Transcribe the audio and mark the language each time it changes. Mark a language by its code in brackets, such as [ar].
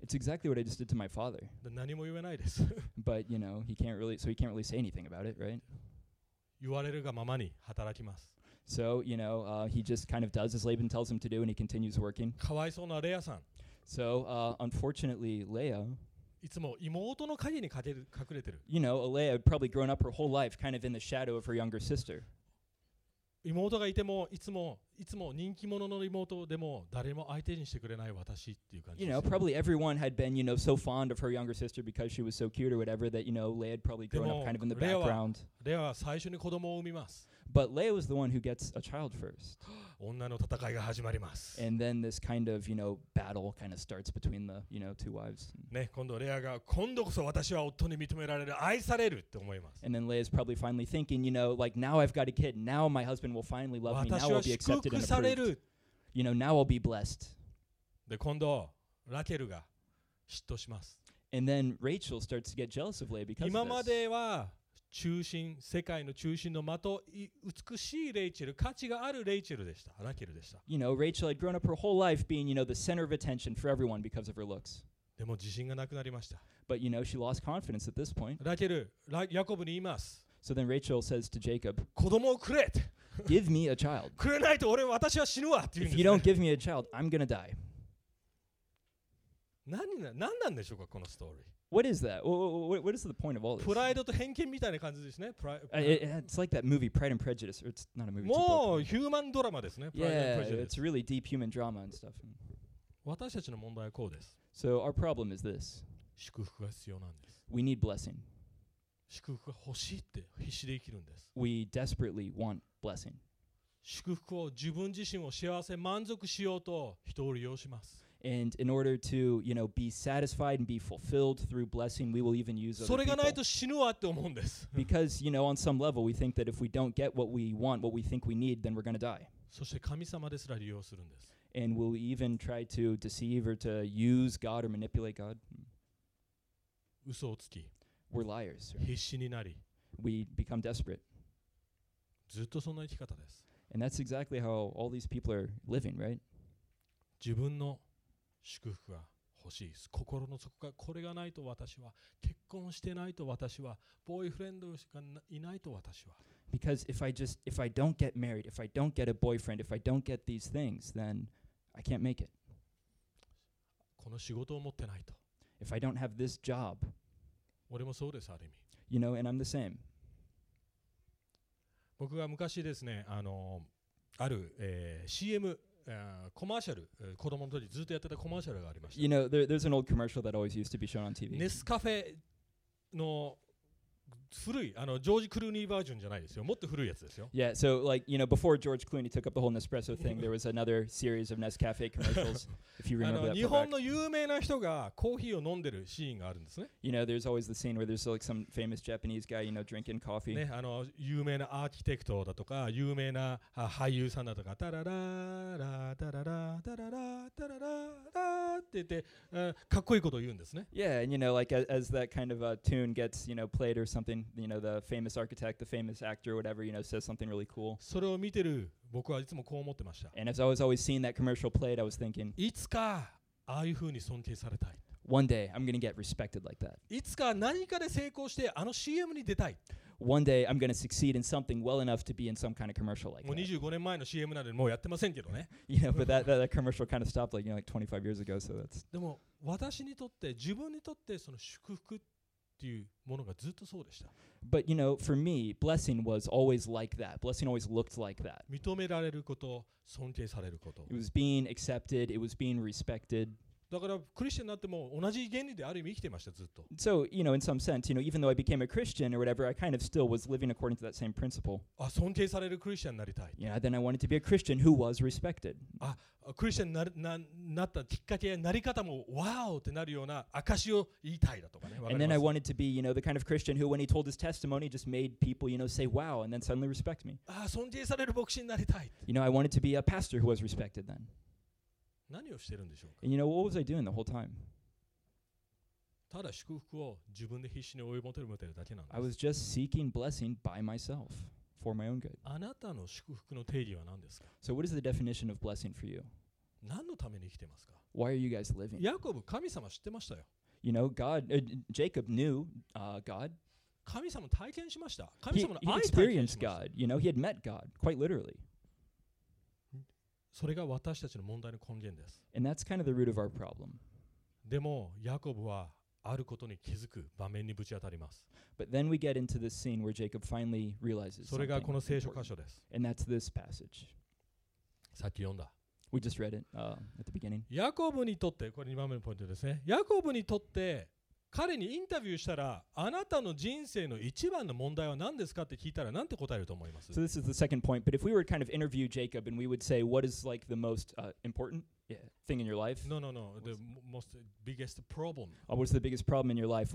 [en] It's exactly what I just did to my father. [ja] 何も言えないです。 [en] But you know, he can't really, so he can't really say anything about it, right? [ja] 言われるがままに働きます。 [en] So, you know, he just kind of does as Laban tells him to do and he continues working. [ja] かわいそうなレアさん。 [en] So, unfortunately, Leah, [ja] いつも妹の影に隠れてる。 [en] You know, Leah had probably grown up her whole life kind of in the shadow of her younger sister. [ja] 妹がいてもいつも人気者の妹でも誰も相手にしてくれない私っていう感じ。 [en] You know, probably everyone had been, you know, so fond of her younger sister because she was so cute or whatever that, you know, Leah had probably grown up kind of in the background. [ja] レアは最初に子供を産みます。 [en] But Leah was the one who gets a child first. [ja] 女の戦いが始まります。 [en] And then this kind of, you know, battle kind of starts between the, you know, two wives. [ja] ね、今度レアが今度こそ私は夫に認められる、愛されるって思います。 [en] And then Leah is probably finally thinking, you know, like now I've got a kid, now my husband will finally love me, now I'll be accepted and approved. You know, now I'll be blessed. [ja] で、今度ラケルが嫉妬します。 [en] And then Rachel starts to get jealous of Leah because of this. [ja] 今までは中心、世界の中心の的、美しいレイチェル、価値があるレイチェルでした、ラケルでした。 [en] You know, Rachel had grown up her whole life being, you know, the center of attention for everyone because of her looks. [ja] でも自信がなくなりました。 [en] But, you know, she lost confidence at this point. [ja] ラケル、ヤコブに言います。 [en] So then Rachel says to Jacob, [ja] 子供をくれ [en] Give me a child. [ja] くれないと俺は私は死ぬわ [en] If you don't give me a child, I'm gonna die. [ja] 何なんでしょうか、このストーリー。 [en] What is that? What is the point of all this? [ja] プライドと偏見みたいな感じですね。 [en] It's like that movie Pride and Prejudice. It's not a movie. [ja] もうヒューマンドラマですね。 [en] Yeah, it's really deep human drama and stuff. [ja] 私たちの問題はこうです。 [en] So our problem is this. [ja] 祝福が必要なんです。 [en] We need blessing. [ja] 祝福が欲しいって必死で生きるんです。 [en] We desperately want blessing. [ja] 祝福を自分自身を幸せ満足しようと人を利用します。 [en] And in order to, you know, be satisfied and be fulfilled through blessing, we will even use other people. [ja] それがないと死ぬわって思うんです。 [en] Because, you know, on some level, we think that if we don't get what we want, what we think we need, then we're going to die. [ja] そして神様ですら利用するんです。 [en] And we'll even try to deceive or to use God or manipulate God. [ja] 嘘をつき。 [en] We're liars. [ja] 必死になり。 [en] We become desperate. [ja] ずっとそんな生き方です。 [en] And that's exactly how all these people are living, right? [ja] 自分の祝福が欲しいです。心の底がこれがないと私は、結婚してないと私は、ボーイフレンドしかいないと私は。 [en] Because if I don't get married, if I don't get a boyfriend, if I don't get these things, then I can't make it. [ja] この仕事を持ってないと。 [en] If I don't have this job. [ja] 俺もそうです、ある意味。 [en] You know, and I'm the same. [ja] 僕が昔ですね、ある、CM、コマーシャル、子供の時ずっとやってたコマーシャルがありました。 [en] You know, there's an old commercial that always used to be shown on TV. [ja] ネスカフェの古い、ジョージ・クルーニーバージョンじゃないですよ。もっと古いやつですよ。 [en] Yeah, so like, you know, before George Clooney took up the whole Nespresso thing, there was another series of Nescafe commercials, if you remember that. [ja] 日本の有名な人がコーヒーを飲んでるシーンがあるんですね。 [en] You know, there's always the scene where there's like some famous Japanese guy, you know, drinking coffee. [ja] ね、有名なアーキテクトだとか、有名な俳優さんだとか、タララララタララタララタララって言って、かっこいいことを言うんですね。 [en] Yeah, and you know, like as that kind of a tune gets, you know, played or something,You know, the famous architect, the famous actor, whatever, you know, says something really cool. [ja] それを見てる僕はいつもこう思ってました。 [en] And as I was always seeing that commercial played, I was thinking, [ja] いつかああいう風に尊敬されたい。 [en] One day, I'm going to get respected like that. [ja] いつか何かで成功してあの CM に出たい。 [en] One day, I'm going to succeed in something well enough to be in some kind of commercial like that. [ja] もう25年前の CM なんでもうやってませんけどね。 [en] You know, but that commercial kind of stopped like, you know, like 25 years ago, so that's... [ja] でも私にとって、自分にとってその祝福ってっていうものがずっとそうでした。 [en] But you know, for me, blessing was always like that. Blessing always looked like that. [ja] 認められること、尊敬されること。 [en] It was being accepted. It was being respected. [ja] だからクリスチャンになっても同じ原理である意味生きてましたずっと。 [en] So you know, in some sense, you know, even though I became a Christian or whatever, I kind of still was living according to that same principle. [ja] あ、尊敬されるクリスチャンになりたい。 [en] Yeah, then I wanted to be a Christian who was respected. [ja] あ、クリスチャンになったきっかけやなり方もわーってなるような証を言いたいだとかね。 [en] And then I wanted to be, you know, the kind of Christian who, when he told his testimony, just made people, you know, say wow, and then suddenly respect me. [ja] あ、尊敬される牧師になりたい。 [en] You know, I wanted to be a pastor who was respected then. [ja] 何をしてるんでしょうか。 [en] And you know, what was I doing the whole time? [ja] ただ祝福を自分で必死に追い求めてるだけなんです。 [en] I was just seeking blessing by myself. For my own good. [ja] あなたの祝福の定義は何ですか? [en] So what is the definition of blessing for you? [ja] 何のために生きてますか? [en] Why are you guys living? [ja] ヤコブ、神様知ってましたよ。 [en] You know, God, Jacob knew God. [ja] 神様体験しました。神様の愛体験しました。 [en] He experienced God. You know, he had met God, quite literally. [ja] それが私たちの問題の根源です。 [en] And that's kind of the root of our problem. [ja] でも、ヤコブはあることに気づく場面にぶち当たります。 [en] But then we get into this scene where Jacob finally realizes [ja] それがこの聖書箇所です。 [en] And that's this passage. [ja] さっき読んだ。 [en] We just read it at the beginning. [ja] ヤコブにとって、これ2番目のポイントですね。ヤコブにとって、彼にインタビューしたら、あなたの人生の一番の問題は何ですかって聞いたら、なんて答えると思います? [en] So this is the second point, but if we were to kind of interview Jacob and we would say, what is like the most important thing in your life? No, no, no. The most biggest problem. Oh, what's the biggest problem in your life?